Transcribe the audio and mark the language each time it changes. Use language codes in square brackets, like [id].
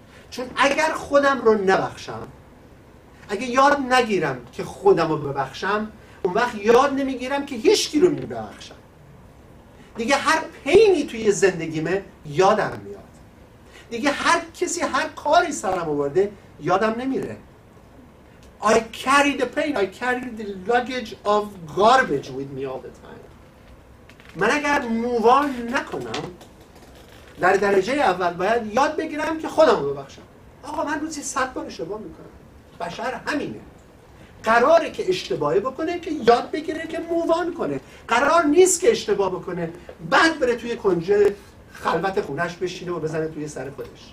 [fa] چون اگر خودم رو نبخشم، اگه یاد نگیرم که خودم رو ببخشم، اون وقت یاد نمیگیرم که هیچکی رو میبخشم. دیگه هر پینی توی زندگیمه یادم میاد. دیگه هر کسی هر کاری سرم آورده یادم نمیره. [en] I carry the pain, I carry the luggage of garbage with me all the time. [fa] من اگر موان نکنم در درجه اول باید یاد بگیرم که خودم رو ببخشم. آقا من روزی 100 بار اشتباه میکنم. بشر همینه. قراره که اشتباهی بکنه که یاد بگیره که موان کنه. قرار نیست که اشتباه بکنه بعد بره توی کنجه خلوت خونش بشینه و بزنه توی سر خودش.